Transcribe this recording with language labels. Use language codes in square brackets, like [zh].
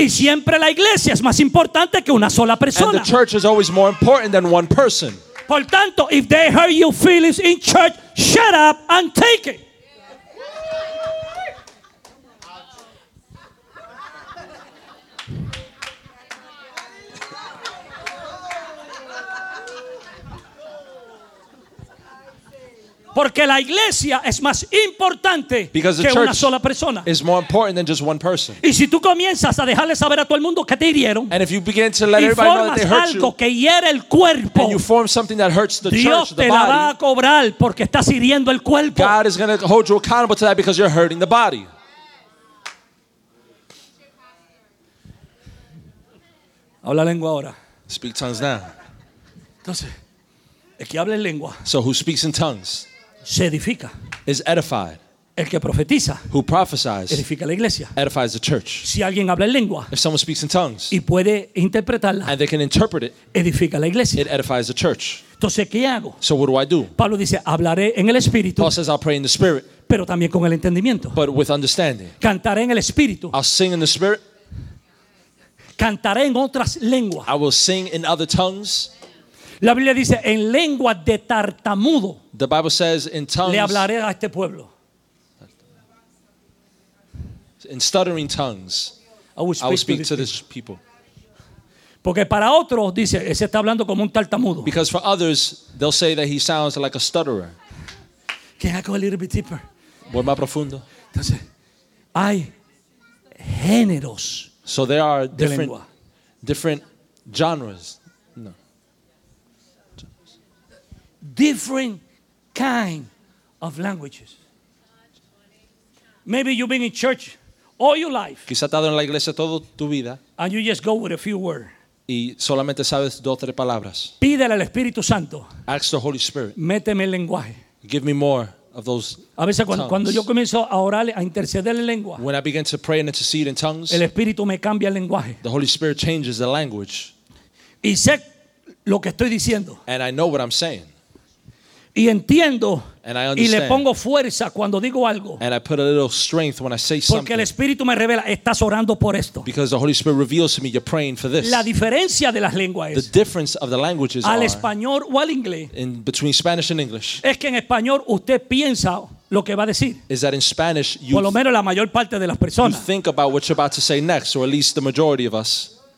[es] Y siempre la iglesia es más importante que una sola persona. [en] And the church is always more important than one person. [es] Por tanto, [en] if they hurt your feelings in church, shut up and take it. [es] Porque la iglesia es más importante que una sola persona. [en] Is more important than just one person. [es] Y si tú comienzas a dejarle saber a todo el mundo que te hirieron, [en] and if you begin to let everybody know that they hurt you, [es] y formas algo que hiere el cuerpo, [en] and you form something that hurts the church, the body, [es] Dios te la va a cobrar porque estás hiriendo el cuerpo. [en] God is going to hold you accountable to that because you're hurting the body. [es] Habla lengua ahora. [en] Speak tongues now. [es] Entonces, el que habla en lengua. [en] So who speaks in tongues? [es] Se edifica. [en] Is edified. [es] El que profetiza. [en] Who prophesies. [es] Edifica la iglesia. [en] Edifies the church. [es] Si alguien habla en lengua. [en] If someone speaks in tongues. [es] Y puede interpretarla. [en] And they can interpret it. [es] Edifica la iglesia. [en] It edifies the church. [es] Entonces, ¿qué hago? [en] So what do I do? [es] Pablo dice, hablaré en el espíritu. [en] Paul says, I'll pray in the spirit. [es] Pero también con el entendimiento. [en] But with understanding. [es] Cantaré en el espíritu. [en] I'll sing in the spirit. [es] Cantaré en otras lenguas. [en] I will sing in other tongues. [es] La Biblia dice en lengua de tartamudo. [en] The Bible says in tongues. [es] Le hablaré a este pueblo. [en] In stuttering tongues. I will speak to this people. [es] Porque para otros dice, ese está hablando como un tartamudo. [en] Because for others they'll say that he sounds like a stutterer. Can I go a little bit deeper? [es] Voy más profundo. Entonces, hay géneros. [en] So there are different genres. Different kind of languages. Maybe you've been in church all your life. [es] Quizá estado en la iglesia toda tu vida. [en] And you just go with a few words. [es] Y solamente sabes dos o tres palabras. Pídele al Espíritu Santo. [en] Ask the Holy Spirit. [es] Méteme el lenguaje. [en] Give me more of those. [es] A veces cuando yo comienzo a orar, a interceder en lengua. [en] When I begin to pray and intercede in tongues. [es] El Espíritu me cambia el lenguaje. [en] The Holy Spirit changes the language. [es] Y sé lo que estoy diciendo. [en] And I know what I'm saying. [es] Y entiendo y le pongo fuerza cuando digo algo. [en] And I put a little strength when I say [es] porque [en] something. [es] El Espíritu me revela, estás orando por esto. [en] Because the Holy Spirit reveals to me you're praying for this. [es] La diferencia de las lenguas es [en] the difference of the languages [es] al español o al inglés. [en] In between Spanish and English. [es] Es que en español usted piensa lo que va a decir. [en] Is that in Spanish you [es] por lo menos la mayor parte de las personas. [en] You think about what you're about to say next, or at least the majority of us.